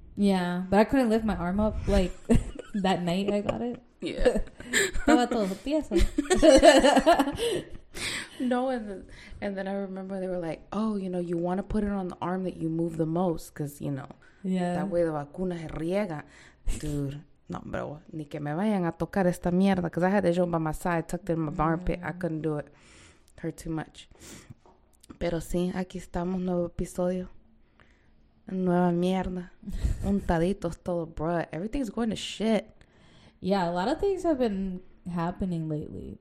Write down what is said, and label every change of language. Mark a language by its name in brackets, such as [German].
[English] Yeah, but I couldn't lift my arm up like that night I got it. Yeah. No, and then I remember they were like, oh, you know, you want to put it on the arm that you move the most, because you know, yeah, that way the [Spanish] vacuna se riega, [English] dude. [Spanish] No, bro, ni que me vayan a tocar esta mierda. [English] Because I had the joke by my side, tucked in my armpit. I couldn't do it. Hurt too much. [Spanish] Pero sí, aquí estamos, nuevo episodio. Nueva mierda. Untaditos todo, bro. [English] Everything's going to shit. Yeah, a lot of things have been happening lately.